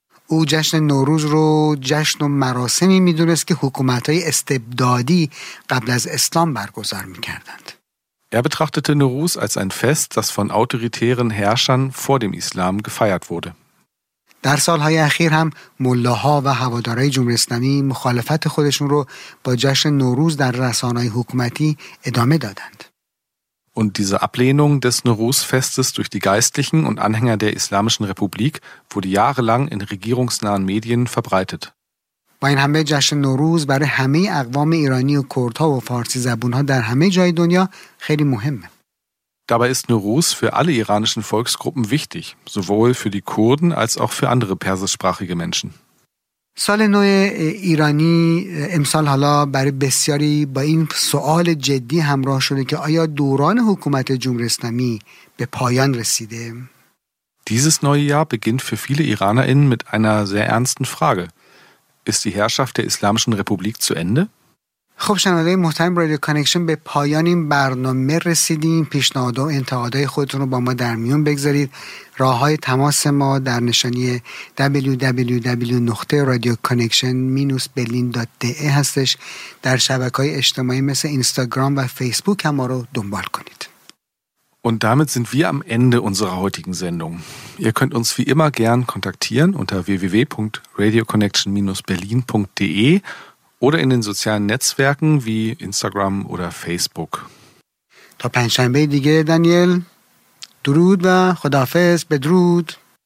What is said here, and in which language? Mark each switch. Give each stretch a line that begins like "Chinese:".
Persian: او جشن نوروز رو جشن و مراسمی میدونست که حکومت‌های استبدادی قبل از اسلام برگزار می‌کردند.
German: Er betrachtete Nowruz als ein Fest, das von autoritären Herrschern vor dem Islam gefeiert wurde.
Persian: در سالهای اخیر هم ملاها و هواداری جمهوری اسلامی مخالفت خودشون رو با جشن نوروز در رسانه‌های حکومتی ادامه دادند.
German: Und diese Ablehnung des Nowruz-Festes durch die Geistlichen und Anhänger der Islamischen Republik wurde jahrelang in regierungsnahen Medien verbreitet.
Persian: با این همه جشن نوروز برای همه اقوام ایرانی و کردها و فارسی زبونها در همه جای دنیا خیلی مهمه.
German: Dabei ist Nowruz für alle iranischen Volksgruppen wichtig, sowohl für die Kurden als auch für andere persischsprachige Menschen.
Persian: سال نو ایرانی امسال حالا برای بسیاری با این سوال جدی همراه شده که آیا دوران حکومت جمهوری اسلامی به پایان رسیده؟
German: Dieses neue Jahr beginnt für viele IranerInnen mit einer sehr ernsten Frage. Ist die Herrschaft der Islamischen Republik zu Ende?
Persian: خب شنونده محترم رادیو کانکشن به پایان این برنامه رسیدیم. پیشنهاد و انتقادهای خودتون رو با ما در میون بگذارید. راه های تماس ما در نشانی www.radioconnection-berlin.de هستش. در شبکه های اجتماعی مثل اینستاگرام و فیسبوک هم ما رو دنبال کنید.
German: Und damit sind wir am Ende unserer heutigen Sendung. Ihr könnt uns wie immer gern kontaktieren unter www.radioconnection-berlin.de oder in den sozialen Netzwerken wie Instagram oder Facebook.
Persian: تا پنجشنبه دیگه دانیل. درود و خدافظ. بدرود.